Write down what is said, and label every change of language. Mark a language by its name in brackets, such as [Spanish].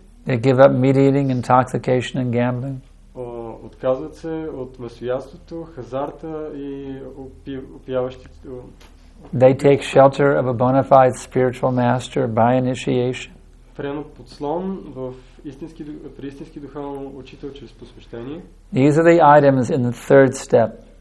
[English] They give up meat eating, intoxication and gambling. [Bulgarian] Отказват се от месоядството, хазарта и опияващите. [English] They take shelter of a bona fide spiritual master by initiation. [Bulgarian] Приемат подслон в истински, при истински духовен учител чрез посвещение. [English] These are the items in the third step.